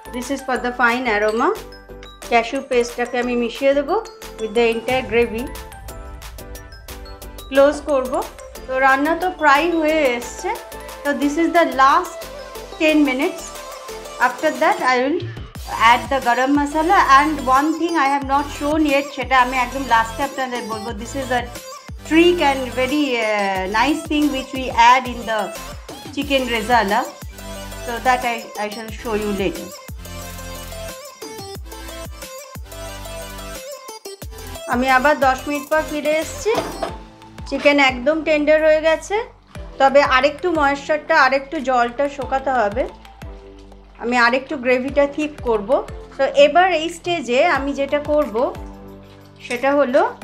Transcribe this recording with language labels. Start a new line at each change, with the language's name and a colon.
English: this is for the fine aroma,
Bangla: cashew পেস্টটাকে আমি মিশিয়ে দেবো
English: with the entire gravy,
Bangla: close করব। তো রান্না তো প্রায় হয়ে এসছে, তো
English: This is the last 10 minutes, after that I will add the garam masala. And 1 thing I have not shown yet,
Bangla: সেটা আমি একদম লাস্টে আপনাদের বলবো,
English: This is the trick and very nice thing which we add in the chicken rasala. So that I shall show you later.
Bangla: আমি আবার 10 মিনিট পর ফিরে এসেছি চিকেন একদম টেন্ডার হয়ে গেছে তবে আরেকটু ময়েশ্চারটা আরেকটু জলটা শুকাতে হবে আমি আরেকটু গ্রেভিটা থিক করব তো এবার এই স্টেজে আমি যেটা করব সেটা হলো